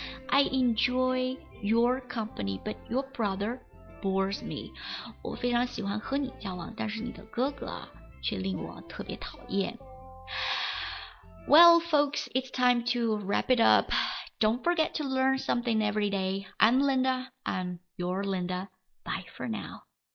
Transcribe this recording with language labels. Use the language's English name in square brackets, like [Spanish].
[English] I enjoy your company, but your brother bores me. [Chinese] 我非常喜欢和你交往，但是你的哥哥却令我特别讨厌。 [English] Well, folks, it's time to wrap it up. Don't forget to learn something every day. I'm Linda. I'm your Linda. Bye for now.